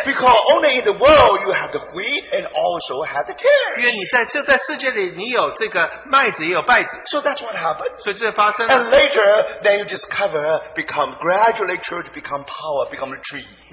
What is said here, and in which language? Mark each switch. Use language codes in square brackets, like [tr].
[en] because only in the world you have the wheat and also have the tares. [zh] 因为你在世界里你有这个麦子也有稗子。 [en] So that's what happened. [zh] 所以这发生了。 [en] And later, then you discover, become gradually church, become power, become a tree.